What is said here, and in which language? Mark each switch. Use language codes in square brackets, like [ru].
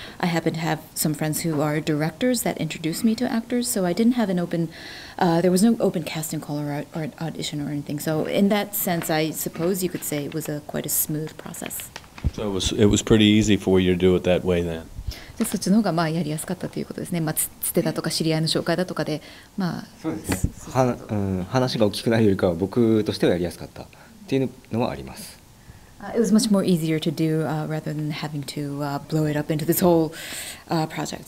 [en] I happen to have some friends who are directors that introduced me to actors. So I didn't have an open, there was no open casting call or audition or anything. So in that sense, I suppose you could say it was quite a smooth process. So it was pretty easy for you to do it that way then? [ja] そっちの方がまあやりやすかったということですね。まあ、つてだとか知り合いの紹介だとかで、まあ、そうですね。話が大きくなるよりかは僕としてはやりやすかったっていうのはあります。 [en] It was much more easier to do rather than having to blow it up into this whole project.